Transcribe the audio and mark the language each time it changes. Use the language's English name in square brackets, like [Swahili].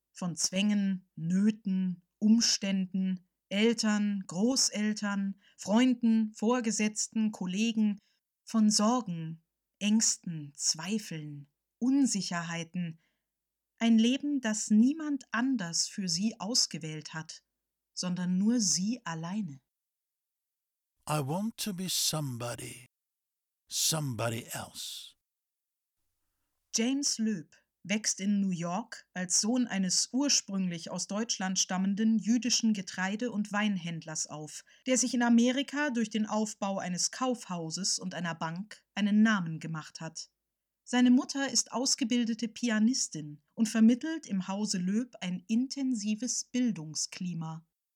[German] Von Zwängen, Nöten, Umständen, Eltern, Großeltern, Freunden, Vorgesetzten, Kollegen, von Sorgen, Ängsten, Zweifeln, Unsicherheiten. Ein Leben, das niemand anders für Sie ausgewählt hat, sondern nur Sie alleine. [English] I want to be somebody, somebody else. [German] James Loeb wächst in New York als Sohn eines ursprünglich aus Deutschland stammenden jüdischen Getreide- und Weinhändlers auf, der sich in Amerika durch den Aufbau eines Kaufhauses und einer Bank einen Namen gemacht hat. Seine Mutter ist ausgebildete Pianistin und vermittelt im Hause Loeb ein intensives Bildungsklima.